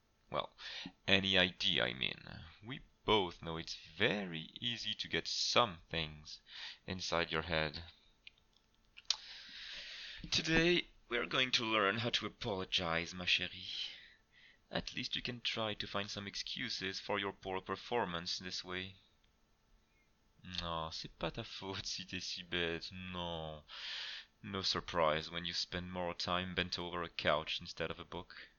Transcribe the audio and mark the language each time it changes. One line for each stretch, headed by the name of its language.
English: Well, any idea, I mean. We both know it's very easy to get some things inside your head. Today, we're going to learn how to apologize,
French: ma chérie.
English: At least you can try to find some excuses for your poor performance this way.
French: Non, c'est pas ta faute si t'es si bête, non.
English: No surprise when you spend more time bent over a couch instead of a book.